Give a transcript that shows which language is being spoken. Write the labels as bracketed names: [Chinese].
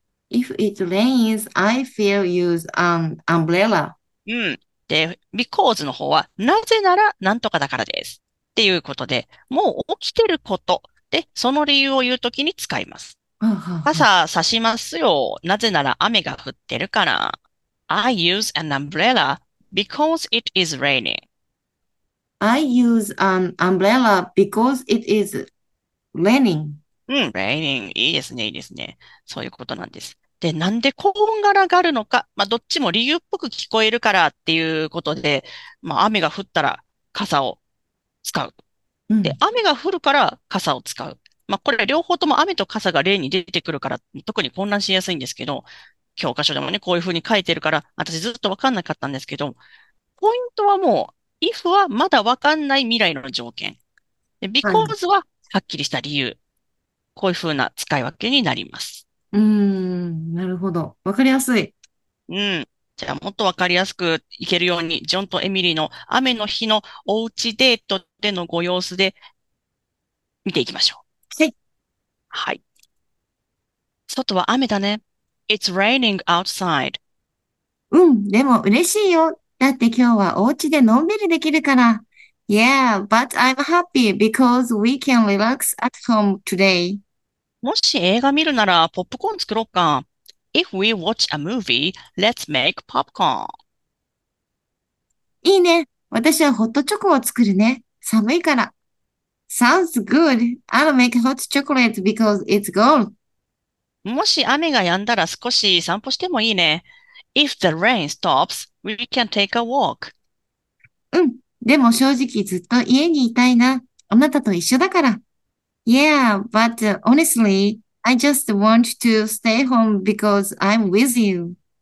[English] If it rains, I will use an umbrella. [Japanese] うん。で、because の方は、なぜならなんとかだからです。っていうことで、もう起きてることで、その理由を言うときに使います。傘差しますよ。なぜなら雨が降ってるから。 [English] I use an umbrella because it is raining. I use an umbrella because it is raining. [Japanese] うん、raining。いいですね、いいですね。そういうことなんです。で、なんでこんがらがるのか。まあ、どっちも理由っぽく聞こえるからっていうことで、まあ、雨が降ったら傘を使う。で、うん、雨が降るから傘を使う。まあ、これ両方とも雨と傘が例に出てくるから、特に混乱しやすいんですけど、教科書でもね、こういう風に書いてるから、私ずっとわかんなかったんですけど、ポイントはもう、if はまだわかんない未来の条件。 because ははっきりした理由。こういう風な使い分けになります。なるほど。わかりやすい。うん。じゃあ、もっとわかりやすくいけるように、ジョンとエミリーの雨の日のおうちデートでのご様子で見ていきましょう。はい。はい。外は雨だね。 [English] It's raining outside. [Japanese] うん、でも嬉しいよ。だって今日はおうちでのんびりできるから。 [English] Yeah, but I'm happy because we can relax at home today. [Japanese] もし映画見るならポップコーン作ろうか。 [English] If we watch a movie, let's make popcorn. [Japanese] いいね。私はホットチョコを作るね。寒いから。 [English] Sounds good. I'll make hot chocolate because it's cold. [Japanese] もし雨が止んだら少し散歩してもいいね。 [English] If the rain stops, we can take a walk. [Japanese] うん。でも正直ずっと家にいたいな。あなたと一緒だから。 [English] Yeah, but honestly,I just want to stay home because I'm with you.